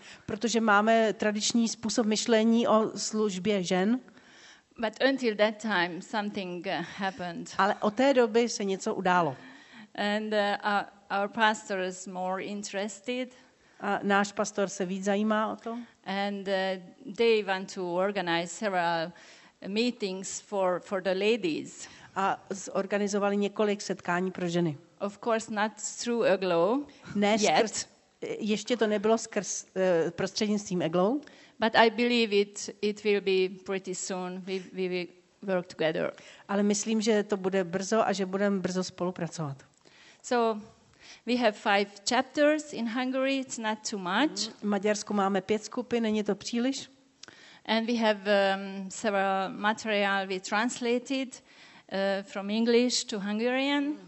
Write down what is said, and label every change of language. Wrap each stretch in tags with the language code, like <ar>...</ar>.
<cs>Protože máme tradiční způsob myšlení o službě žen.</cs> <en>But until that time something happened.</en> <cs>Ale od té doby se něco událo.</cs> <en>And our pastor is more interested.</en> <cs>A náš pastor se víc zajímá o to.</cs> <en>And they want to organize several meetings for the ladies.</en> <cs>A zorganizovali několik setkání pro ženy.</cs> <en>Of course not through Eglo. Ne, yet.</en> <cs>Ještě to nebylo skrz prostřednictvím Eglo.</cs> <en>But I believe it will be pretty soon. We will work together.</en> <cs>Ale myslím, že to bude brzo a že budeme brzo spolupracovat.</cs> <en>So we have 5 chapters in Hungary. It's not too much.</en> <cs>V Maďarsku máme 5 skupin, není to příliš.</cs> <en>And we have several material we translated from English to Hungarian.</en>